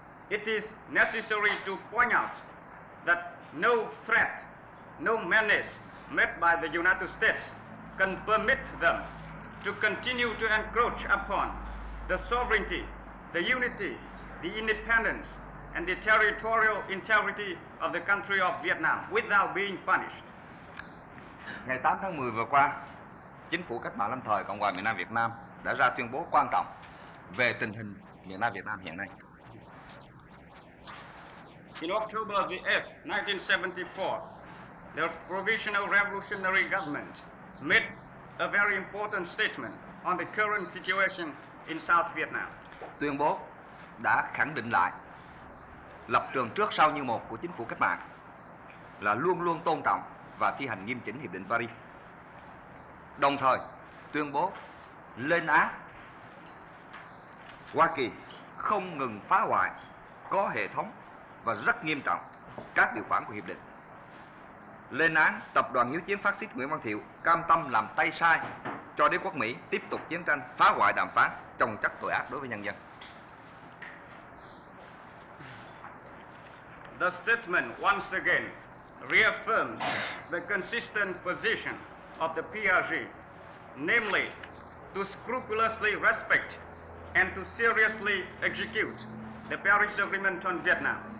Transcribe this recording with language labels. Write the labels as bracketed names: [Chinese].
[English] It is necessary to point out that no threat, no menace made by the United States can permit them to continue to encroach upon the sovereignty, the unity, the independence, and the territorial integrity of the country of Vietnam without being punished. [Vietnamese] Ngày 8 tháng 10 vừa qua, chính phủ cách mạng lâm thời Cộng hòa miền Nam Việt Nam đã ra tuyên bố quan trọng về tình hình miền Nam Việt Nam hiện nay. [English] In October the 8th, 1974, the Provisional Revolutionary Government made a very important statement on the current situation in South Vietnam. [Vietnamese] Tuyên bố đã khẳng định lại lập trường trước sau như một của chính phủ cách mạng là luôn luôn tôn trọng và thi hành nghiêm chỉnh Hiệp định Paris. Đồng thời tuyên bố lên án Hoa Kỳ không ngừng phá hoại có hệ thống và rất nghiêm trọng các điều khoản của Hiệp định. Lên án tập đoàn hiếu chiến phát xít Nguyễn Văn Thiệu cam tâm làm tay sai cho đế quốc Mỹ tiếp tục chiến tranh, phá hoại đàm phán, chồng chất tội ác đối với nhân dân. [English] The statement once again reaffirms the consistent position of the PRG, namely to scrupulously respect and to seriously execute the Paris Agreement on Vietnam.